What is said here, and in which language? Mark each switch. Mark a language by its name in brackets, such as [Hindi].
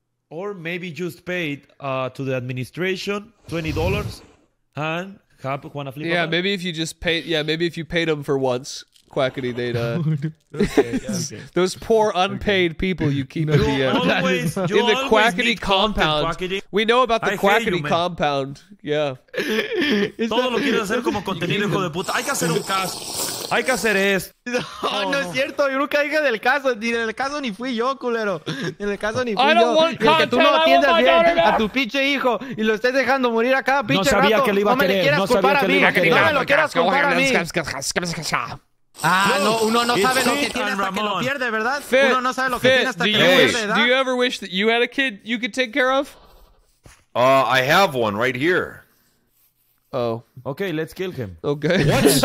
[English] Or maybe just pay it to the administration, $20, and have Juana Flipa. Yeah, maybe if you paid them for once, Quackity data. Okay, yeah, okay. Those poor unpaid people you keep in the in the Quackity compound. We know about the Quackity compound. Yeah. [Spanish] Todo lo quieres hacer como contenido, hijo de puta. Hay que hacer un caso. Hay que hacer esto. No, no es cierto. Yo nunca dije del caso. Ni del caso ni fui yo, culero. En el caso ni fui yo. Que tú no atiendas bien a tu pinche hijo y lo estés dejando morir a cada pinche rato. No sabía que lo iba a querer. No sabía que lo iba a querer. No me lo quieras culpar a mí. [English] Do you ever wish that you had a kid you could take care of? I have one right here. Oh. Okay, let's kill him. Okay. What?